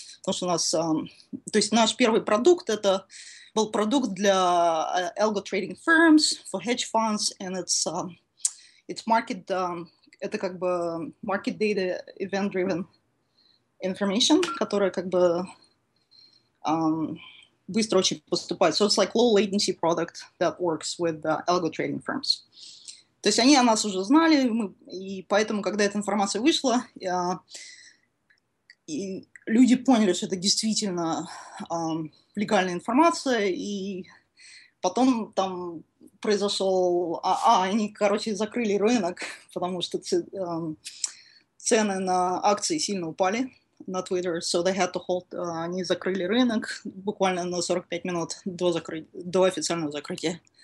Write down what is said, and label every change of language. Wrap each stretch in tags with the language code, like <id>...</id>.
<ru>Потому что у нас... то есть наш первый продукт — это был продукт для</ru> <en>algo trading firms, for hedge funds, and it's market...</en> <ru>это как бы market data event-driven information, которая как бы... быстро очень поступает.</ru> <en>So it's like low latency product that works with algo trading firms.</en> <ru>То есть они о нас уже знали, и поэтому, когда эта информация вышла, и люди поняли, что это действительно легальная информация, и потом там произошел... они, короче, закрыли рынок, потому что цены на акции сильно упали на Twitter,</ru> <en>so they had to hold,</en> <ru>они закрыли рынок буквально на 45 минут до официального закрытия.</ru>